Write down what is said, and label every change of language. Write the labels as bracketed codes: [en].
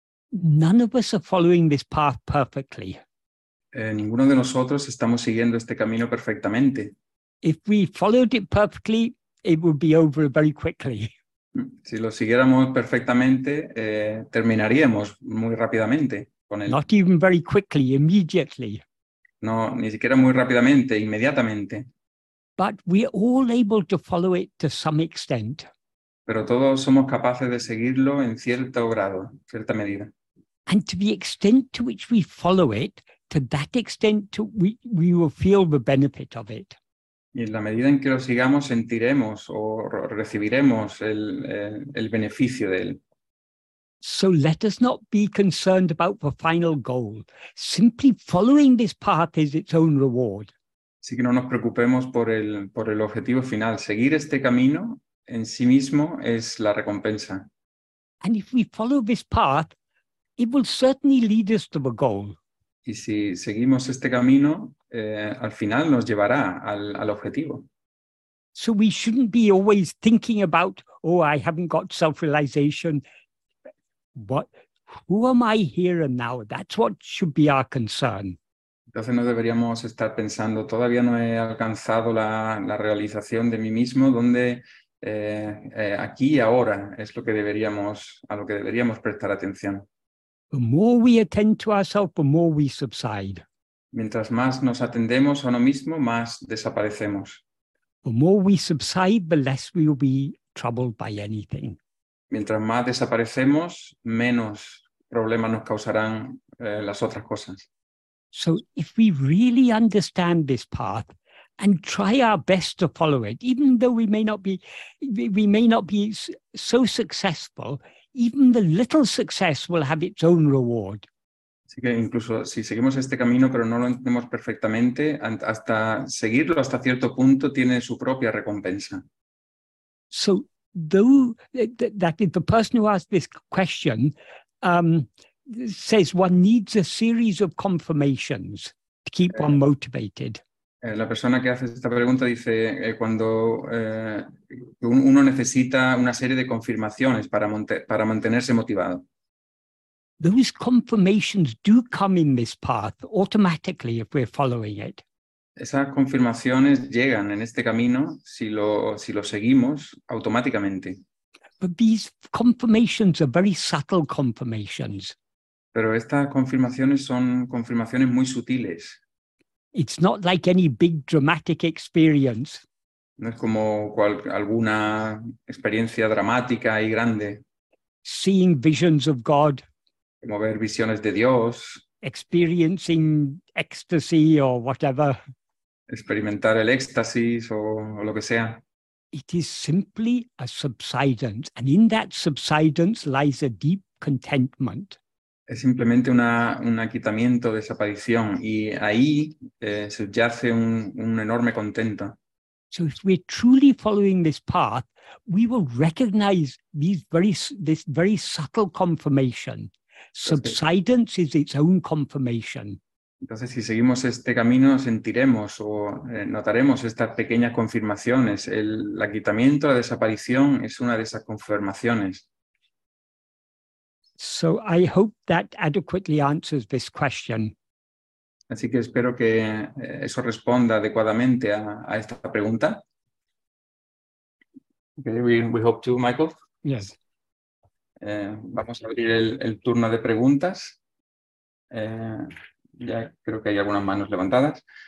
[en] None of us are following this path perfectly. [es] Ninguno de nosotros estamos siguiendo este camino perfectamente. [en] If we followed it perfectly, it would be over very quickly. [es] Si lo siguiéramos perfectamente, terminaríamos muy rápidamente. [en] Not even very quickly, immediately. [es] No, ni siquiera muy rápidamente, inmediatamente. [en] But we're all able to follow it to some extent. [es] Pero todos somos capaces de seguirlo en cierto grado, cierta medida. [en] And to the extent to which we follow it, to that extent to we will feel the benefit of it. [es] Y en la medida en que lo sigamos, sentiremos o recibiremos el beneficio de él. [en] So let us not be concerned about the final goal. Simply following this path is its own reward. [es] Así que no nos preocupemos por el objetivo final. Seguir este camino en sí mismo es la recompensa. [en] And if we follow this path, it will certainly lead us to the goal. [es] Y si seguimos este camino, al final nos llevará al objetivo. [en] So we shouldn't be always thinking about, oh, I haven't got self-realization. What? Who am I here and now? That's what should be our concern. [es] Entonces no deberíamos estar pensando, todavía no he alcanzado la realización de mí mismo. ¿Dónde? Aquí y ahora es a lo que deberíamos prestar atención. [en] The more we attend to ourselves, the more we subside. [es] Mientras más nos atendemos a uno mismo, más desaparecemos. [en] The more we subside, the less we will be troubled by anything. [es] Mientras más desaparecemos, menos problemas nos causarán las otras cosas. [en] So if we really understand this path and try our best to follow it, even though we may not be so successful, even the little success will have its own reward. [es] Así que incluso si seguimos este camino, pero no lo entendemos perfectamente, hasta seguirlo hasta cierto punto tiene su propia recompensa. [en] So, that if the person who asked this question says one needs a series of confirmations to keep one motivated. [es] La persona que hace esta pregunta dice cuando uno necesita una serie de confirmaciones para mantenerse motivado. [en] Those confirmations do come in this path automatically if we're following it. [es] Esas confirmaciones llegan en este camino si lo seguimos automáticamente. [en] But these confirmations are very subtle confirmations. [es] Pero estas confirmaciones son confirmaciones muy sutiles. [en] It's not like any big dramatic experience. [es] No es como alguna experiencia dramática y grande. [en] Seeing visions of God. [es] Como ver visiones de Dios. [en] Experiencing ecstasy or whatever. [es] Experimentar el éxtasis o lo que sea. [en] It is simply a subsidence, and in that subsidence lies a deep contentment. [es] Es simplemente un aquietamiento, desaparición, y ahí subyace un enorme contento. [en] So if we're truly following this path, we will recognize this very subtle confirmation. Subsidence is its own confirmation. [es] Entonces, si seguimos este camino, sentiremos o notaremos estas pequeñas confirmaciones. El aquietamiento, la desaparición, es una de esas confirmaciones. [en] So I hope that adequately answers this question. [es] Así que espero que eso responda adecuadamente a esta pregunta. [en] Okay, we hope to, Michael. Yes. [es] Vamos a abrir el turno de preguntas. Ya creo que hay algunas manos levantadas.